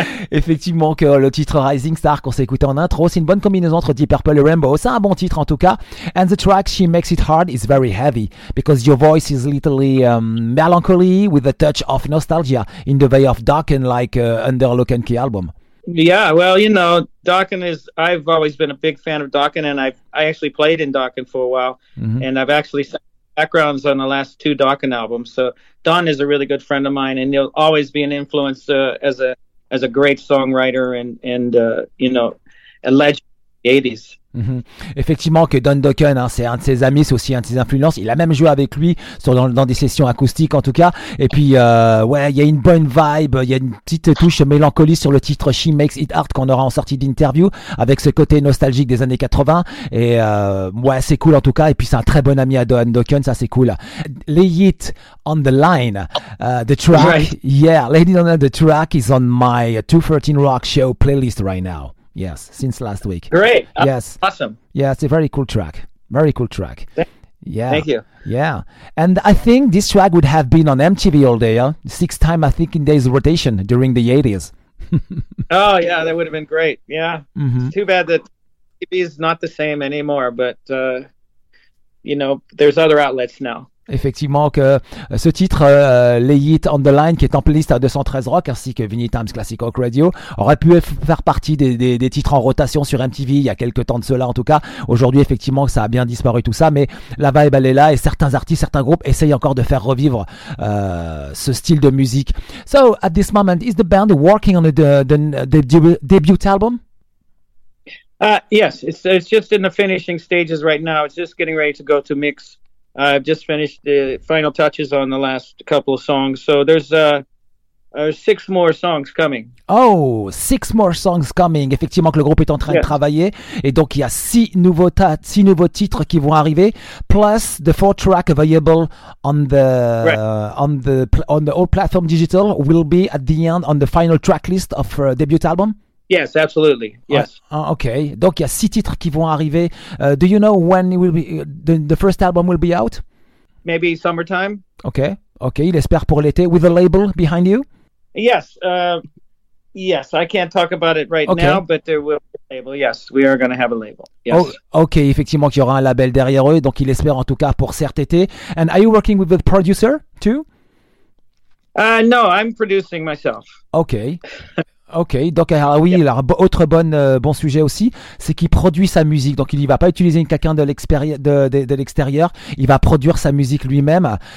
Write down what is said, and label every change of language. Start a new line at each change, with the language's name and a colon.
French: Effectivement, que le titre Rising Star qu'on s'est écouté en intro, c'est une bonne combinaison entre Deep Purple et Rainbow. C'est un bon titre en tout cas.
English: And the track She Makes It Hard is very heavy because your voice is literally melancholy with a touch of nostalgia in the way of Dokken, like Under Lock and Key album. Yeah, well, you know, Dokken is, I've always been a big fan of Dokken, and I actually played in Dokken for a while, mm-hmm. and I've actually sung backgrounds on the last two Dokken albums. So Don is a really good friend of mine, and he'll always be an influence as a great songwriter and a legend in the 80s. Mm-hmm.
French: Effectivement, que Don Dokken, hein, c'est un de ses amis, c'est aussi un de ses influences. Il a même joué avec lui dans des sessions acoustiques, en tout cas. Et puis, ouais, il y a une bonne vibe, il y a une petite touche mélancolique sur le titre She Makes It Hard qu'on aura en sortie d'interview, avec ce côté nostalgique des années 80. Et ouais, c'est cool en tout cas. Et puis, c'est un très bon ami à Don Dokken, ça c'est cool.
English: Lay It on the Line, the track. Right. Yeah, Lay It on the Line, the track is on my 213 Rock Show playlist right now. Yes, since last week. Great. Yes. Awesome. Yeah, it's a very cool track. Very cool track. Yeah. Thank you. Yeah. And I think this track would have been on MTV all day, six times, I think, in days of rotation during the 80s. Oh, yeah, that would have been great. Yeah. Mm-hmm. It's too bad that TV is not the same anymore, but, you know, there's other outlets now.
French: Effectivement, que ce titre Lay It on the Line, qui est en playlist à 213 Rock ainsi que Vinnie Times Classic Rock Radio, aurait pu faire partie des titres en rotation sur MTV il y a quelques temps de cela. En tout cas, aujourd'hui effectivement ça a bien disparu tout ça, mais la vibe elle est là, et certains artistes, certains groupes essayent encore de faire revivre ce style de musique.
English: So at this moment, is the band working on the debut album? Yes, it's just in the finishing stages right now. It's just getting ready to go to mix. I've just finished the final touches on the last couple of songs. So there's six more songs coming. Oh, six more songs coming.
French: Effectivement, que le groupe est en train de travailler. Et donc, il y a six nouveaux titres qui vont arriver, plus
English: the four track available on the old platform digital will be at the end on the final track list of her debut album. Yes, absolutely. Yes. Okay.
French: Donc il y a six titres qui vont arriver.
English: Do you know when it will be the first album will be out? Maybe summertime.
French: Okay. Okay. Il espère pour l'été,
English: with a label behind you. Yes. Yes. I can't talk about it right now, but there will be a label. Yes, we are going to have a label. Yes. Oh, okay.
French: Effectivement, qu'il y aura un label derrière eux. Donc il espère en tout cas pour cet été.
English: And are you working with a producer too? No, I'm producing myself. Okay.
French: Ok, donc autre bon sujet aussi, c'est qu'il produit sa musique. Donc il ne va pas utiliser quelqu'un de l'extérieur, il va produire sa musique lui-même.